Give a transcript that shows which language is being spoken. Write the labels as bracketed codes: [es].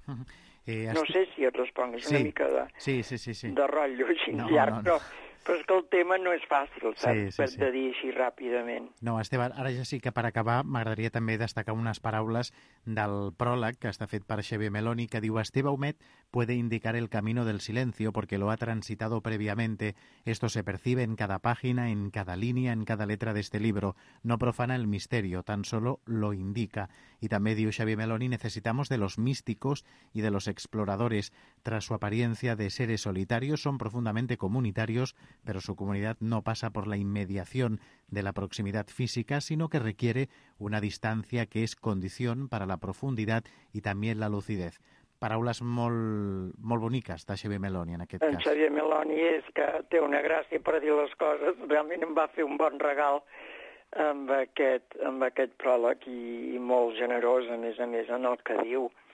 [ca] No sé si et responc, és una mica de rotllo així llarg, però és que el tema no és fàcil, de dir així ràpidament. No, Esteve, ara ja sí que per acabar m'agradaria també destacar unes paraules del pròleg que està fet per Xavier Meloni, que diu: [es] Esteve Humet puede indicar el camino del silencio porque lo ha transitado previamente. Esto se percibe en cada página, en cada línea, en cada letra de este libro. No profana el misterio, tan solo lo indica. Y también dio Xavier Meloni: necesitamos de los místicos y de los exploradores. Tras su apariencia de seres solitarios, son profundamente comunitarios, pero su comunidad no pasa por la inmediación de la proximidad física, sino que requiere una distancia que es condición para la profundidad y también la lucidez. [ca] Paraules molt boniques de Xavier Meloni, en aquest cas. En Xavier Meloni és que té una gràcia per dir les coses. Realment em va fer un bon regal amb aquest pròleg i molt generós, a més, en el que diu.